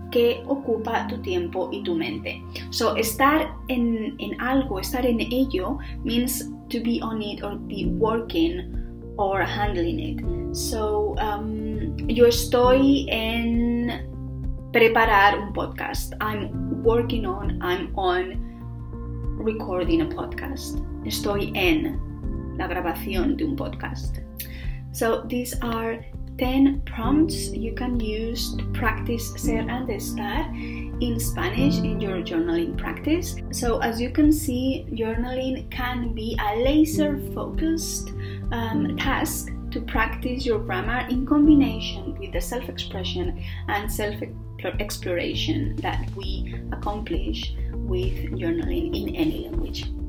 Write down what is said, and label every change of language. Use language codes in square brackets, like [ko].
[es] ¿Qué ocupa tu tiempo y tu mente? So, estar en algo, estar en ello, [en] means to be on it or be working or handling it. [es] So, yo estoy en preparar un podcast. [en] I'm working on, I'm on recording a podcast. [es] Estoy en la grabación de un podcast. [en] So these are 10 prompts you can use to practice ser and estar in Spanish in your journaling practice. So as you can see, journaling can be a laser focused task to practice your grammar in combination with the self-expression and self-exploration that we accomplish with journaling in any language.